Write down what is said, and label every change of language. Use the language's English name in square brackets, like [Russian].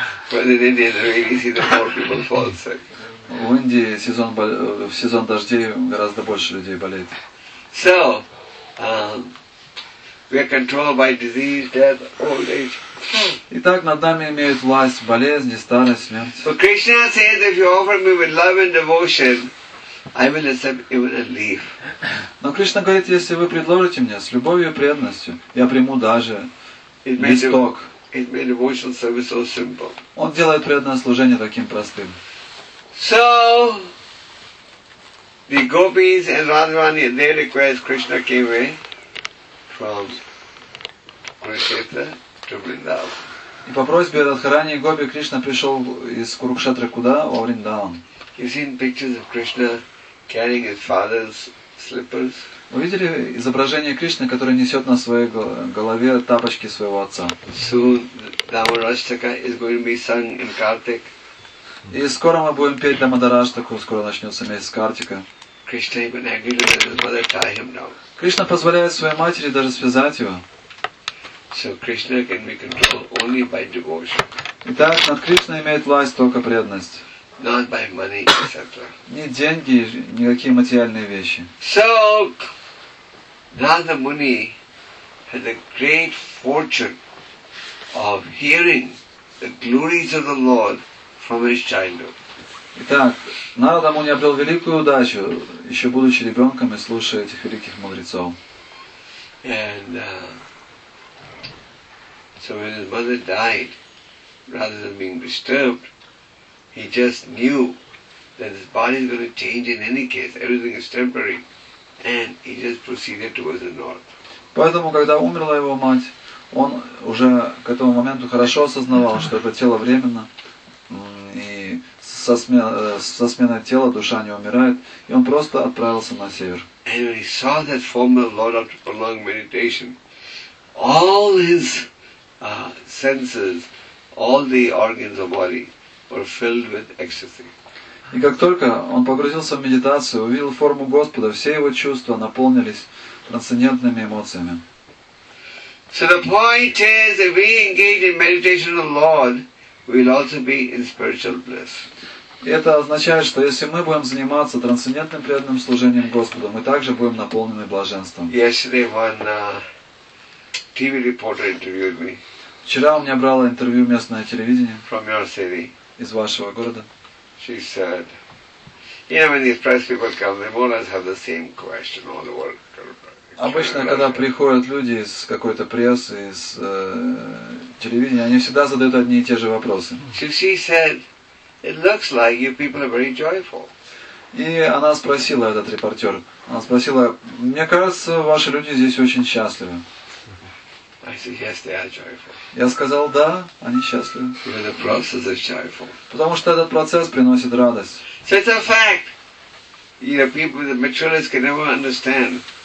[English] In India, the rainy season, more people fall sick. [Russian] В Индии в сезон дождей гораздо больше людей болеет. [English] So, we are controlled by disease, death, old age. [Russian] Итак, над нами имеют власть болезни, старость, смерть. [English] So Krishna says, if you offer me with love and devotion, I will accept even a leaf. [Russian] Но Кришна говорит: если вы предложите мне с любовью и преданностью, я приму даже листок. [English] It made devotional service so simple. [Russian] Он делает преданное служение таким простым. [English] So the gopis and Radharani, they request Krishna came from Kurukshetra to Vrindavan. [Russian] И по просьбе Радхарани и Гопи Кришна пришел из Курукшетры куда? Во Вриндаван. [English] You've seen pictures of Krishna carrying his father's slippers. [Russian] Вы видели изображение Кришны, который несет на своей голове тапочки своего отца? [English] Soon Дамарашчака is going to be sung in Kartik. [Russian] И скоро мы будем петь Дамарашчаку, скоро начнется месяц Картика. [English] Krishna even agreed to let his mother tie him now. [Russian] Кришна позволяет своей матери даже связать его. [English] So Krishna can be controlled only by devotion. [Russian] Итак, над Кришной имеет власть только преданность. [English] Not by money, etc. [Russian] Ни деньги, никакие материальные вещи. [English] So, Narada Muni had the great fortune of hearing the glories of the Lord from his childhood. [Russian] Итак, Нарада Муни обрел великую удачу, еще будучи ребенком, и слушая этих великих мудрецов. [English] And so, when his mother died, rather than being disturbed, he just knew that his body is going to change in any case. Everything is temporary, and he just proceeded towards the north. [Russian] Поэтому, когда умерла его мать, он уже к этому моменту хорошо осознавал, что это тело временно, и со сменой тела душа не умирает, и он просто отправился на север. [English] And when he saw that formal Lord after prolonged meditation, all his senses, all the organs of body were filled with ecstasy. [Russian] И как только он погрузился в медитацию, увидел форму Господа, все его чувства наполнились трансцендентными эмоциями. [English] So the point is, if we engage in meditation of the Lord, we'll also be in spiritual bliss. [Russian] Это означает, что если мы будем заниматься трансцендентным преданным служением Господу, мы также будем наполнены блаженством. [English] Yesterday one TV reporter interviewed me. [Russian] Вчера у меня брала интервью местное телевидение. [English] From your city. [Russian] Из вашего города. [English] She said, you know, when these press people come, they more or less have the same question all the world. [Russian] Обычно, когда приходят люди из какой-то прессы, из телевидения, они всегда задают одни и те же вопросы. [English] She said, it looks like you people are very joyful. [Russian] И она спросила, этот репортер, она спросила, мне кажется, ваши люди здесь очень счастливы. [English] I said, yes, they are joyful. [Russian] Я сказал, да, они счастливы. [English] The process is joyful. [Russian] Потому что этот процесс приносит радость. [English] So it's a fact. You know, people with maturities can never understand.